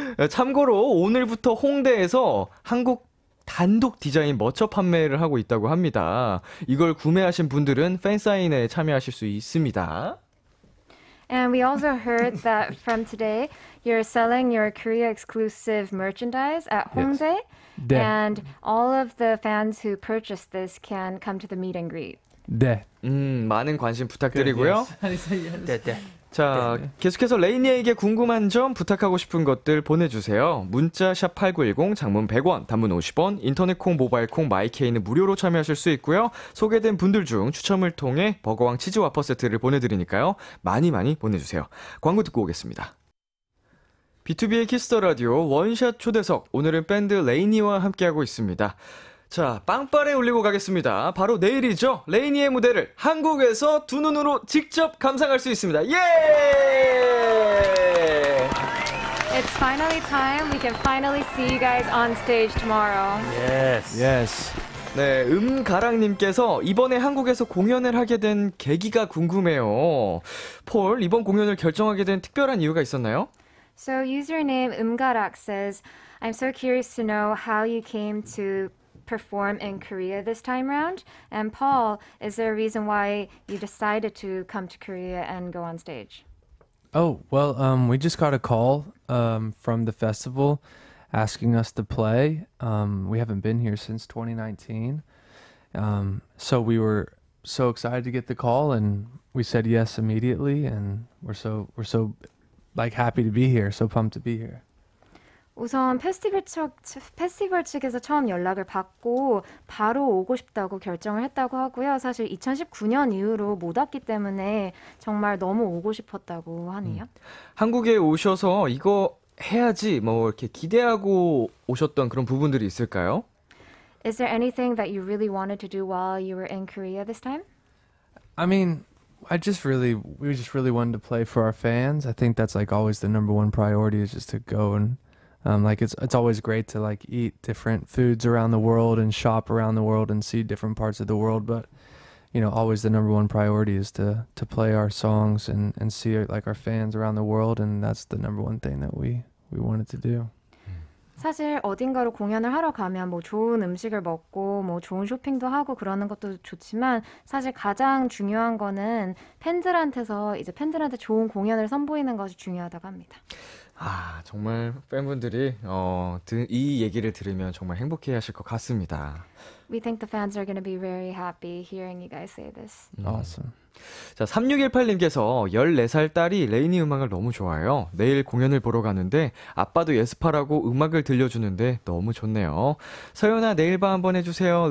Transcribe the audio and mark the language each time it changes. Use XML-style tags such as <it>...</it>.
<ko>참고로 오늘부터 홍대에서 한국 단독 디자인 머처 판매를 하고 있다고 합니다. 이걸 구매하신 분들은 팬 사인회에 참여하실 수 있습니다.</ko> <en>And we also heard that from today, you're selling your Korea-exclusive merchandise at Hongdae. Yes.</en> <ko>네.</ko> <en>And all of the fans who purchase this can come to the meet and greet.</en> <ko>네. 많은 관심 부탁드리고요.</ko> <en>Yes.</en> <ko>네, 네. 자, 계속해서 레이니에게 궁금한 점, 부탁하고 싶은 것들 보내주세요. 문자 샵 8910, 장문 100원, 단문 50원, 인터넷 콩, 모바일 콩, 마이케이는 무료로 참여하실 수 있고요. 소개된 분들 중 추첨을 통해 버거왕 치즈 와퍼 세트를 보내드리니까요. 많이 많이 보내주세요. 광고 듣고 오겠습니다. BTOB의 키스더라디오 원샷 초대석, 오늘은 밴드 레이니와 함께하고 있습니다. 자, 빵빠레 올리고 가겠습니다. 바로 내일이죠. 레이니의 무대를 한국에서 두 눈으로 직접 감상할 수 있습니다. 예!</ko> <en>It's finally time. We can finally see you guys on stage tomorrow. Yes. Yes.</en> <ko>네, 가랑님께서 이번에 한국에서 공연을 하게 된 계기가 궁금해요. 폴, 이번 공연을 결정하게 된 특별한 이유가 있었나요?</ko> <en>So username 가락 says, I'm so curious to know how you came to perform in Korea this time round. And Paul, is there a reason why you decided to come to Korea and go on stage? Oh, well, we just got a call from the festival asking us to play. We haven't been here since 2019. So we were so excited to get the call, and we said yes immediately, and we're so like happy to be here, so pumped to be here.</en> <ko>우선 페스티벌 측에서 처음 연락을 받고 바로 오고 싶다고 결정을 했다고 하고요. 사실 2019년 이후로 못 왔기 때문에 정말 너무 오고 싶었다고 하네요. 한국에 오셔서 이거 해야지 뭐 이렇게 기대하고 오셨던 그런 부분들이 있을까요?</ko> <en>Is there anything that you really wanted to do while you were in Korea this time? I mean, we just really wanted to play for our fans. I think that's like always the number one priority is just to go and like it's always great to like eat different foods around the world and shop around the world and see different parts of the world, but you know, always the number one priority is to play our songs and see like our fans around the world, and that's the number one thing that we wanted to do.</en> <ko>사실 어딘가로 공연을 하러 가면 뭐 좋은 음식을 먹고 뭐 좋은 쇼핑도 하고 그러는 것도 좋지만 사실 가장 중요한 거는 팬들한테서 이제 팬들한테 좋은 공연을 선보이는 것이 중요하다고 합니다. 아, 정말 팬분들이 이 얘기를 들으면 정말 행복해 하실 것 같습니다.</ko> <en>We think the fans are going to be very happy hearing you guys say this. Awesome.</en> <ko>자, 3618님께서 14살 딸이 레이니 음악을 너무 좋아해요. 내일 공연을 보러 가는데 아빠도 예습하라고 음악을 들려주는데 너무 좋네요. 서연아, 내일 봐 한번 해주세요.</ko>